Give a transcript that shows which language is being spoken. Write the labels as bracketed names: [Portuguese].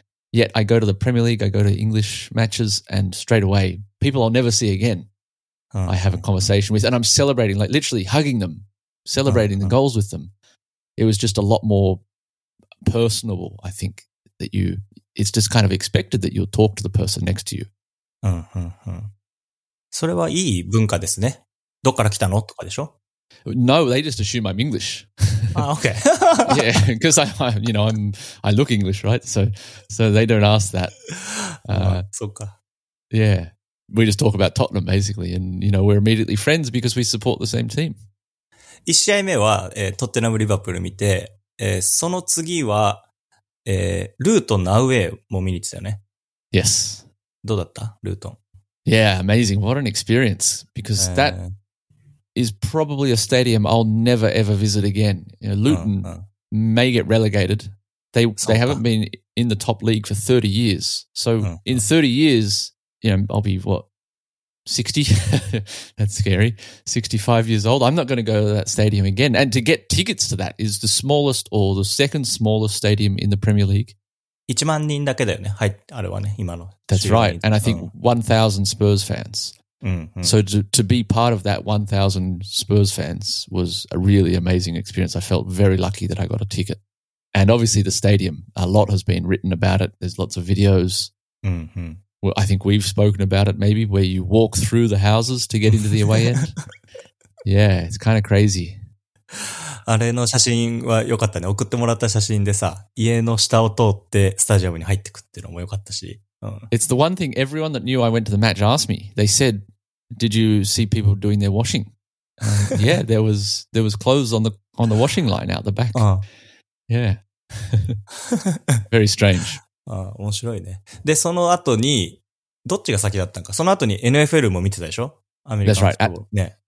[English] Yet I go to the Premier League, I go to English matches, and straight away, people I'll never see again, I have a conversation with. And I'm celebrating, like literally hugging them, celebrating the goals with them. It was just a lot more personable, I think, that you, it's just kind of expected that you'll talk to the person next to you. [Japanese] それはいい文化ですね。どっから来たのとかでしょ [English] ？No, they just assume I'm English. Ah, okay. Yeah, because I look English, right? So they don't ask that. [Japanese] そっか。 [English] Yeah, we just talk about Tottenham basically, and you know we're immediately friends because we support the same team. [Japanese] 一試合目は、トッテナムリバプール見て、その次は、ルートンアウェイも見に行ってたよね。 [English] Yes. [Japanese] どうだった？ルートン。 [English] Yeah, amazing. What an experience. Because that is probably a stadium I'll never ever visit again. You know, Luton may get relegated. They haven't been in the top league for 30 years. So in 30 years, you know, I'll be what? 60? That's scary. 65 years old. I'm not going to go to that stadium again. And to get tickets to that is the smallest or the second smallest stadium in the Premier League. [Japanese] 1万人だけだよね。はい、あれはね、今の。 [English] That's right. And I think 1,000 Spurs fans. So to be part of that 1,000 Spurs fans was a really amazing experience. I felt very lucky that I got a ticket. And obviously the stadium, a lot has been written about it. There's lots of videos. Well, I think we've spoken about it maybe, where you walk through the houses to get into the away end. Yeah, it's kind of crazy. [Japanese] あれの写真は良かったね。送ってもらった写真でさ、家の下を通ってスタジアムに入ってくっていうのも良かったし。 [English] It's the one thing everyone that knew I went to the match asked me. They said, "Did you see people doing their washing?" Yeah, there was clothes on the washing line out the back. Yeah. Very strange. [Japanese] 面白いね。で、その後に、どっちが先だったんか。その後に NFL も見てたでしょ？アメリカンフットボール。